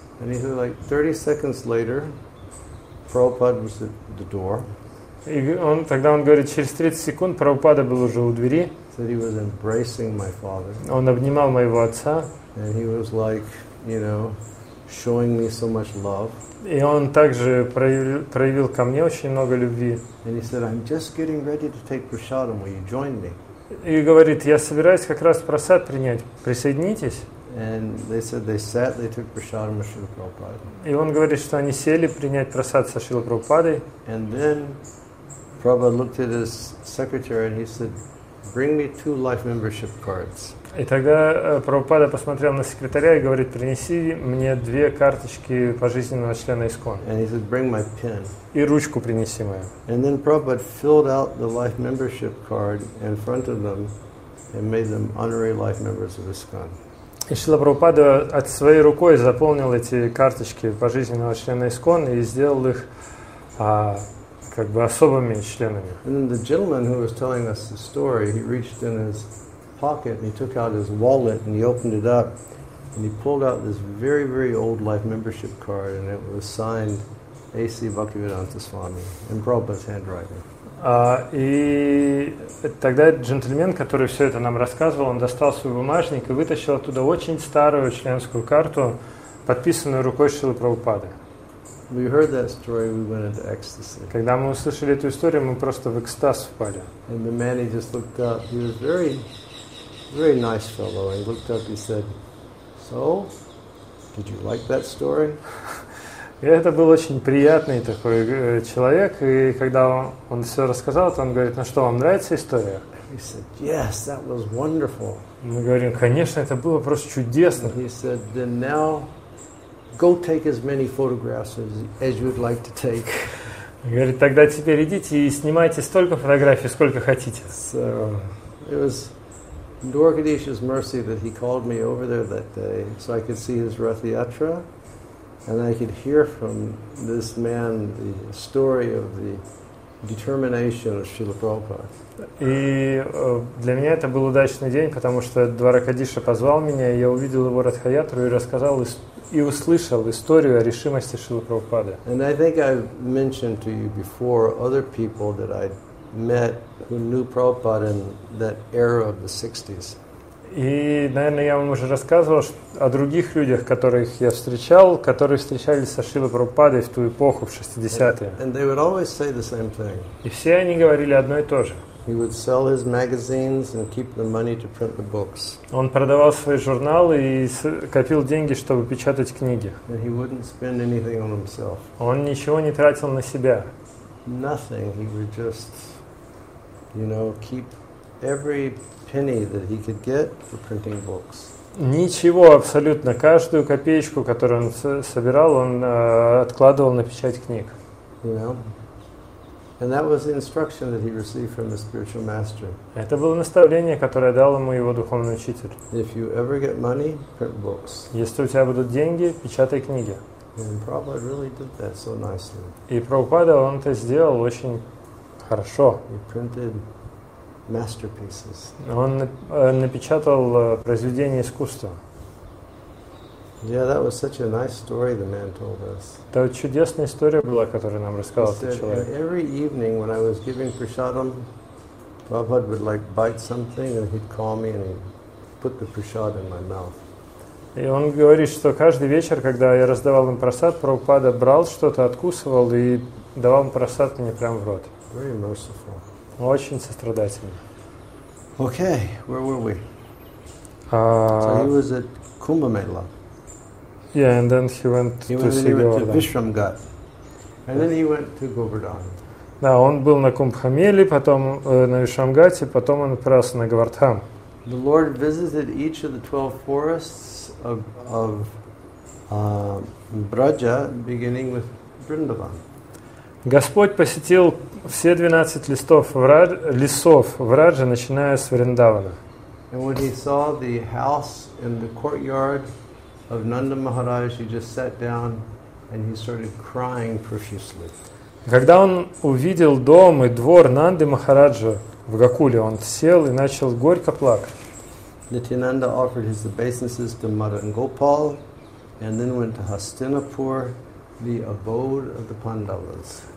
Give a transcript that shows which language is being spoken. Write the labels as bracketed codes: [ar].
[en] And he said, like 30 seconds later, Prabhupada was at the door. [ru] И он, тогда он говорит, через 30 секунд Прабхупада был уже у двери. [en] Said he was embracing my father. [ru] Он обнимал моего отца. [en] And he was like, you know, showing me so much love. [ru] И он также проявил ко мне очень много любви. [en] And he said, "I'm just getting ready to take prasadam. Will you join me?" [ru] И говорит, я собираюсь как раз прасад принять. Присоединитесь. [en] And they said they sat. They took prasadam with Srila Prabhupada. [ru] И он говорит, что они сели принять прасад со Шрилой Прабхупадой. [en] And then Prabhupada looked at his secretary and he said, "Bring me 2 life membership cards." [ru] И тогда Прабхупада посмотрел на секретаря и говорит, принеси мне 2 карточки пожизненного члена ИСКОН. [en] And he said, bring my pen. [ru] И ручку принеси мою. [en] And then Prabhupada filled out the life membership card in front of them and made them honorary life members of ISKCON. [ru] И Шрила Прабхупада от своей рукой заполнил эти карточки пожизненного члена ИСКОН и сделал их как бы особыми членами. [en] And then the gentleman who was telling us the story, he reached in his pocket and he took out his wallet and he opened it up and he pulled out this very, very old life membership card and it was signed A.C. Bhaktivedanta Swami in Prabhupada's handwriting. [ru] И тогда джентльмен, который все это нам рассказывал, он достал свой бумажник и вытащил оттуда очень старую членскую карту, подписанную рукой Шрилы Прабхупады. [en] We heard that story, we went into ecstasy. [ru] Когда мы услышали эту историю, мы просто в экстаз впали. [en] And the man, he just looked up, he was very very nice fellow. He looked up, he said, "So, did you like that story?" [ru] Это был очень приятный такой человек, и когда он все рассказал, то он говорит, "Ну что, вам нравится история?" [en] He said, "Yes, that was wonderful." [ru] Мы говорим, "Конечно, это было просто чудесно." [en] He said, "Then now go take as many photographs as you would like to take." [ru] Говорит, "Тогда теперь идите и снимайте столько фотографий, сколько хотите." [en] So, it was Dwarkadish's mercy that he called me over there that day so I could see his Rath Yatra and I could hear from this man the story of the determination of Srila Prabhupada. [ru] И для меня это был удачный день, потому что Дваракадиша позвал меня, и я увидел его Рath Yatra и рассказал и услышал историю о решимости Шрилы Прабхупады. [en] And I think I've mentioned to you before other people that I met who knew Prabhupada in that era of the 60s. [ru] И, наверное, я вам уже рассказывал о других людях, которых я встречал, которые встречались со Шрилой Прабхупадой в ту эпоху, в 60-е. [en] And they would always say the same thing. [ru] И все они говорили одно и то же. [en] He would sell his magazines and keep the money to print the books. [ru] Он продавал свои журналы и копил деньги, чтобы печатать книги. [en] And he wouldn't spend anything on himself. [ru] Он ничего не тратил на себя. [en] Nothing. He would just, you know, keep every penny that he could get for printing books. [ru] Ничего абсолютно. Каждую копеечку, которую он собирал, он откладывал на печать книг. [en] You know? And that was the instruction that he received from his spiritual master. [ru] Это было наставление, которое дал ему его духовный учитель. [en] If you ever get money, print books. [ru] Если у тебя будут деньги, печатай книги. [en] And Prabhupada really did that so nicely. [ru] И Прабхупада, он это сделал очень хорошо. [en] He printed masterpieces. [ru] Он напечатал произведения искусства. [en] Yeah, that was such a nice story the man told us. [ru] Это чудесная история была, которую нам рассказал этот человек. [en] Every evening when I was giving prasadam, Prabhupada would like bite something and he'd call me and he'd put the prasad in my mouth. [ru] И он говорит, что каждый вечер, когда я раздавал им просад, Прабхупада брал что-то, откусывал и давал им просад мне прямо в рот. [en] Very merciful. [ru] Очень сострадательный. [en] Okay, where were we? So he was at Kumbh Mela. Yeah, and then he went to see Govardhan. Vishramgat. And then he went to Govardhan. [ru] Да, он был на Кумбхамеле, потом на Вишрамгате, потом он отправился на Говардхан. [en] The Lord visited each of the 12 forests of Braja, beginning with Vrindavan. [ru] Господь посетил все 12 лесов Враджа, начиная с Вриндавана. [en] And when he saw the house in the courtyard of Nanda Maharaj, he just sat down and he started crying profusely. [ru] Когда он увидел дом и двор Нанды Махараджа в Гакуле, он сел и начал горько плакать. [en] Nityananda offered his obeisances to Madan Gopal and then went to Hastinapur, the abode of the Pandavas.